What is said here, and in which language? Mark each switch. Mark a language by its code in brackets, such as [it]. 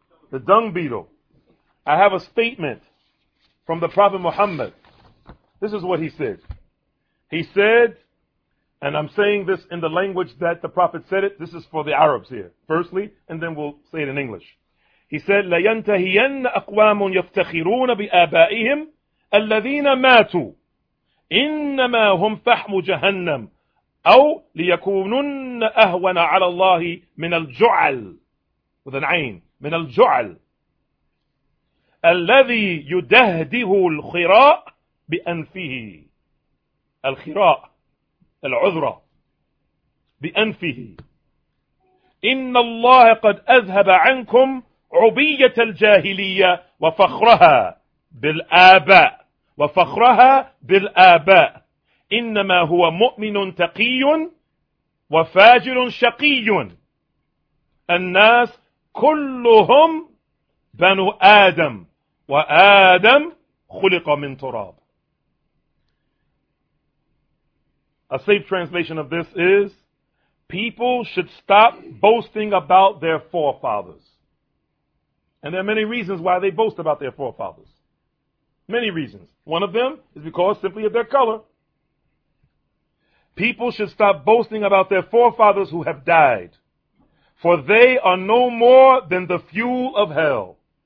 [en] The dung beetle. I have a statement from the Prophet Muhammad. This is what he said. He said, and I'm saying this in the language that the Prophet said it, this is for the Arabs here, firstly, and then we'll say it in English. He said, [ar] لَيَنْتَهِيَنَّ أَقْوَامٌ يَفْتَخِرُونَ بِآبَائِهِمْ الَّذِينَ مَاتُوا إِنَّمَا هُمْ فَحْمُ جَهَنَّمْ أَوْ لِيَكُونُنَّ أَهْوَنَ عَلَى اللَّهِ مِنَ الْجُعَلْ [en] with an [ar] عين, من الجُعَلْ الذي يدهده الخراء بأنفه الخراء العذرة بأنفه إن الله قد أذهب عنكم عبية الجاهلية وفخرها بالآباء وفخرها بالآباء إنما هو مؤمن تقي وفاجر شقي الناس كلهم بنو آدم وَآدَمْ خُلِقَ مِنْ تُرَابٍ. [en] A safe translation of this is, people should stop boasting about their forefathers. And there are many reasons why they boast about their forefathers. Many reasons. One of them is because simply of their color. People should stop boasting about their forefathers who have died, for they are no more than the fuel of hell.